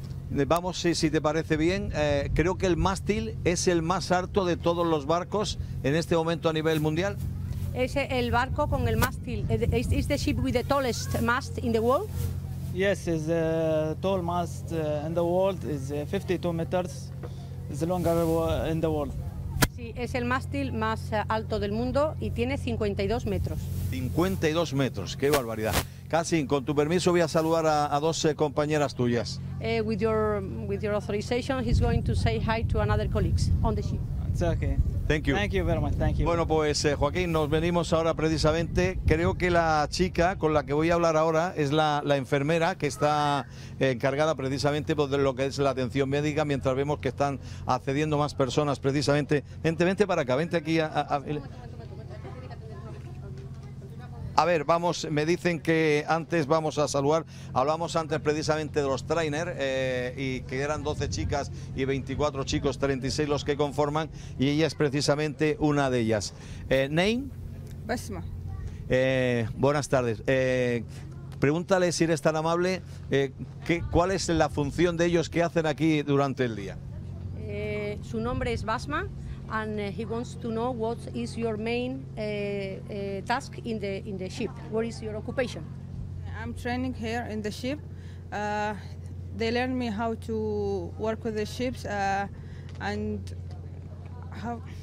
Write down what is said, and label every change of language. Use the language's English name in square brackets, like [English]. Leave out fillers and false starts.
[Spanish] Vamos, si te parece bien, creo que el mástil es el más alto de todos los barcos en este momento a nivel mundial. Es el barco con el mástil. [English] Is the ship with the tallest mast in the world? Yes, it's the tall mast in the world. It's 52 meters. It's the longest in the world. [Spanish] Sí, es el mástil más alto del mundo y tiene 52 metros. 52 metros, qué barbaridad. Kasim, con tu permiso voy a saludar a dos compañeras tuyas. [English] With your authorization, he's going to say hi to another colleagues on the ship. It's okay. Thank you. Thank you very much. Thank you. [Spanish] Bueno, pues Joaquín, nos venimos ahora precisamente. Creo que la chica con la que voy a hablar ahora es la enfermera que está encargada precisamente de lo que es la atención médica, mientras vemos que están accediendo más personas precisamente. Gente, vente para acá, vente aquí. A ver, vamos, me dicen que antes vamos a saludar, hablamos antes precisamente de los trainers y que eran 12 chicas y 24 chicos, 36 los que conforman, y ella es precisamente una de ellas. [English] ¿Name? Besma. [Spanish] Buenas tardes. Pregúntale, si eres tan amable, ¿cuál es la función de ellos que hacen aquí durante el día? Su nombre es Basma. [English] And he wants to know what is your main task in the ship. What is your occupation? I'm training here in the ship. They learn me how to work with the ships and how.